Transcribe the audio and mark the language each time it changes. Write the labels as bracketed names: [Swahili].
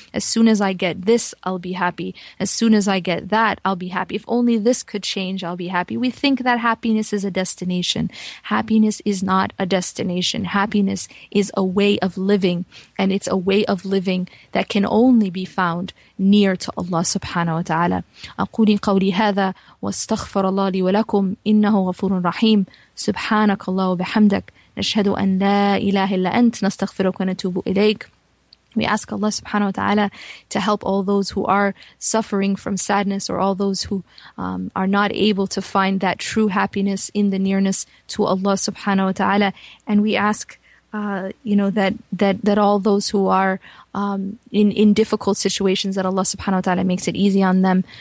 [English] As soon as I get this, I'll be happy. As soon as I get that, I'll be happy. If only this could change, I'll be happy. We think that happiness is a destination. Happiness is not a destination. Happiness is a way of living. And it's a way of living that can only be found near to Allah subhanahu wa ta'ala. [Arabic] أَقُولِ قَوْلِ هَذَا وَاسْتَغْفَرَ اللَّهُ لِي وَلَكُمْ إِنَّهُ غَفُورٌ رَحِيمٌ سُبْحَانَكَ اللَّهُ وَبِحَمْدَكَ نشهد أن لا إله إلا أنت نستغفرك ونتوب إليك. [English] We ask Allah subhanahu wa ta'ala to help all those who are suffering from sadness or all those who are not able to find that true happiness in the nearness to Allah subhanahu wa ta'ala. And we ask that all those who are in difficult situations, that Allah subhanahu wa ta'ala makes it easy on them.